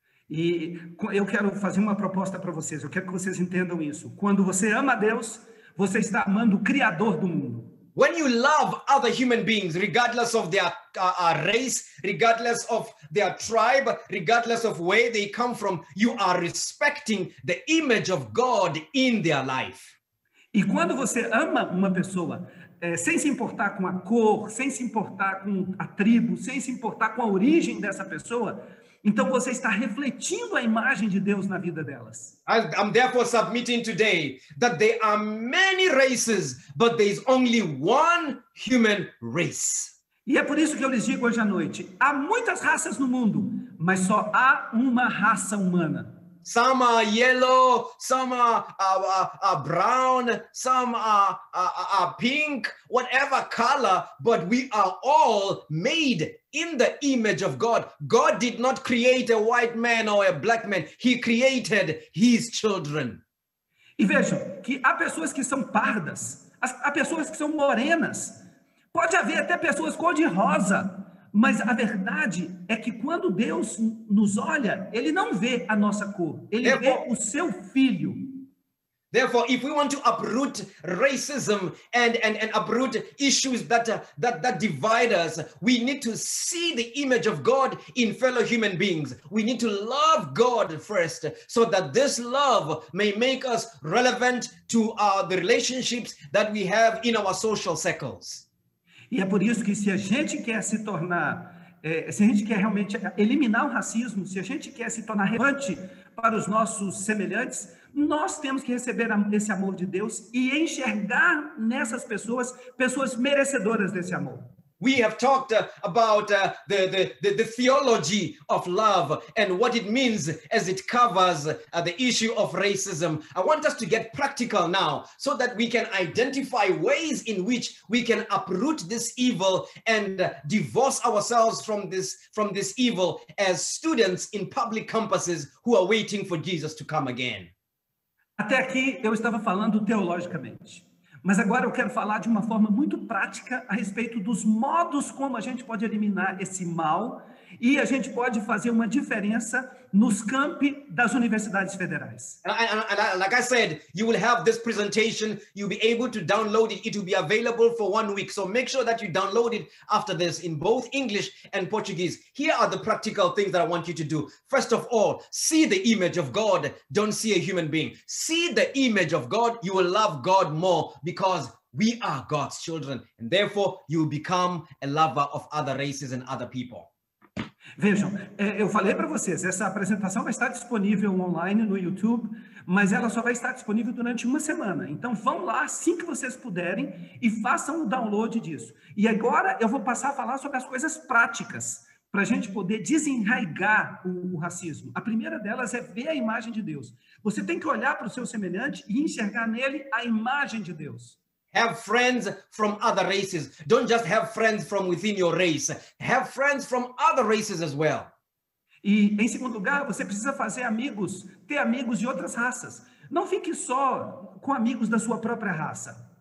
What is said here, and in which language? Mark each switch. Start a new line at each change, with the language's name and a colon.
Portuguese: E eu quero fazer uma proposta para vocês, eu quero que vocês entendam isso. Quando você ama Deus, você está amando o Criador do mundo.
English: When you love other human beings, regardless of their race, regardless of their tribe, regardless of where they come from, you are respecting the image of God in their life.
Portuguese: E quando você ama uma pessoa, sem se importar com a cor, sem se importar com a tribo, sem se importar com a origem dessa pessoa, então você está refletindo a imagem de Deus na vida delas.
English: I'm therefore submitting today that there are many races, but there is only one human race.
Portuguese: E é por isso que eu lhes digo hoje à noite, há muitas raças no mundo, mas só há uma raça humana.
English: Some are yellow, some are brown, some are pink, whatever color, but we are all made in the image of God. God did not create a white man or a black man. He created his children.
Portuguese: E vejam que há pessoas que são pardas, há pessoas que são morenas. Pode haver até pessoas cor de rosa. Mas a verdade é que quando Deus nos olha, Ele não vê a nossa cor, Ele vê o Seu Filho.
English: Therefore, if we want to uproot racism and uproot issues that divide us, we need to see the image of God in fellow human beings. We need to love God first, so that this love may make us relevant to the relationships that we have in our social circles.
Portuguese: E é por isso que se a gente quer se tornar, se a gente quer realmente eliminar o racismo, se a gente quer se tornar relevante para os nossos semelhantes, nós temos que receber esse amor de Deus e enxergar nessas pessoas, pessoas merecedoras desse amor.
English: We have talked about the theology of love and what it means as it covers the issue of racism. I want us to get practical now so that we can identify ways in which we can uproot this evil and divorce ourselves from this evil as students in public campuses who are waiting for Jesus to come again.
Portuguese: Até aqui eu estava falando teologicamente. Mas agora eu quero falar de uma forma muito prática a respeito dos modos como a gente pode eliminar esse mal e a gente pode fazer uma diferença nos campi das universidades federais.
English: Like I said, you will have this presentation, you'll be able to download it, it will be available for 1 week. So make sure that you download it after this in both English and Portuguese. Here are the practical things that I want you to do. First of all, see the image of God, don't see a human being. See the image of God, you will love God more because we are God's children. And therefore, you will become a lover of other races and other people.
Portuguese: Vejam, eu falei para vocês, essa apresentação vai estar disponível online no YouTube, mas ela só vai estar disponível durante uma semana. Então, vão lá assim que vocês puderem e façam o download disso. E agora eu vou passar a falar sobre as coisas práticas para a gente poder desenraigar o racismo. A primeira delas é ver a imagem de Deus. Você tem que olhar para o seu semelhante e enxergar nele a imagem de Deus.
English: Have friends from other races. Don't just have friends from within your race. Have friends from other races as well.
Portuguese: E em segundo lugar, você precisa fazer amigos, ter amigos de outras raças. Não fique só com amigos da sua própria raça.